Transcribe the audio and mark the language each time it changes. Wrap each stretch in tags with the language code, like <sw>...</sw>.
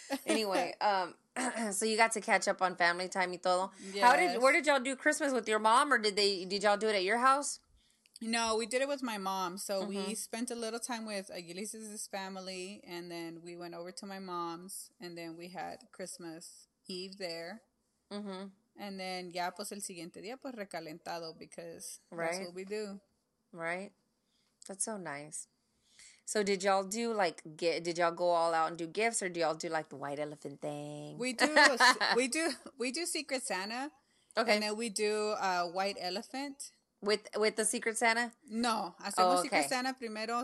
<en>Anyway, so you got to catch up on family time</en> <es>y todo.</es> <en>Yes. Where did y'all do Christmas with your mom, or did y'all do it at your house? No, we did it with my mom. So mm-hmm. we spent a little time with Aguilis's family, and then we went over to my mom's, and then we had Christmas Eve there. Mm-hmm.</en> <es>And then ya pues el siguiente día pues recalentado</es> <en>because right. that's what we do. Right. That's so nice. So did y'all do like did y'all go all out and do gifts, or do y'all do like the white elephant thing? We do Secret Santa. Okay. And then we do a white elephant. With the Secret Santa?</en> <es>No. Hacemos Secret Santa primero.</es>